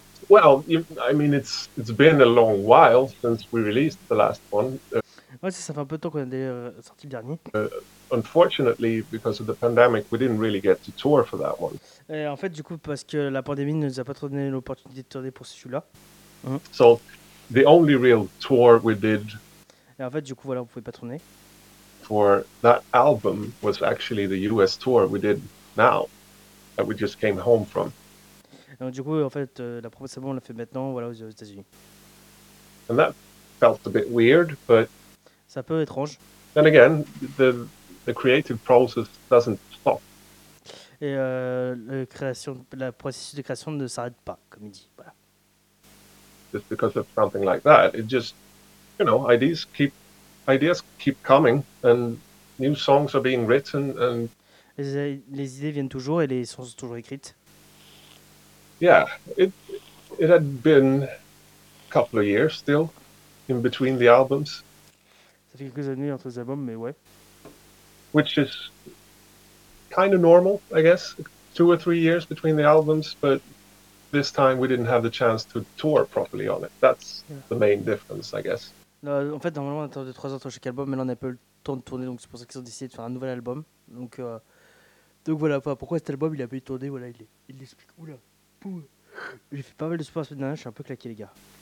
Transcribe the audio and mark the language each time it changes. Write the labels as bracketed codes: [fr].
[en] Well, I mean, it's been a long while since we released the last one. [fr] Ouais, ça fait un peu de temps qu'on a sorti le dernier. [en] Unfortunately, because of the pandemic, we didn't really get to tour for that one. [fr] Et en fait, du coup, parce que la pandémie ne nous a pas trop donné l'opportunité de tourner pour celui-là. [en] So, the only real tour we did. [fr] Et en fait, du coup, voilà, on pouvait pas tourner. [en] For that album was actually the US tour we did now that we just came home from. [fr] Donc du coup, en fait, la première saison, on l'a fait maintenant, voilà, aux États-Unis. [en] And that felt a bit weird, but... [fr] C'est un peu étrange. [en] Then again, the creative process doesn't stop. [fr] Et le processus de création ne s'arrête pas, comme il dit, voilà. [en] Just because of something like that, it just, you know, ideas keep coming, and new songs are being written, and... [fr] Les idées viennent toujours, et les chansons sont toujours écrites. [en] Yeah, it had been a couple of years still in between the albums. [fr] Ça fait quelques années entre les albums, mais ouais. [en] Which is kind of normal, I guess. 2 or 3 years between the albums, but this time we didn't have the chance to tour properly on it. That's the main difference, I guess. [fr] Non, en fait, normalement, on attend 3 ans entre chaque album, mais là, on n'a pas eu le temps de tourner, donc c'est pour ça qu'ils ont décidé de faire un nouvel album. Donc voilà, enfin, pourquoi cet album, il a pas eu de tournée, voilà, il l'explique. Oula. J'ai fait pas mal de sport la semaine dernière, je suis un peu claqué, les gars.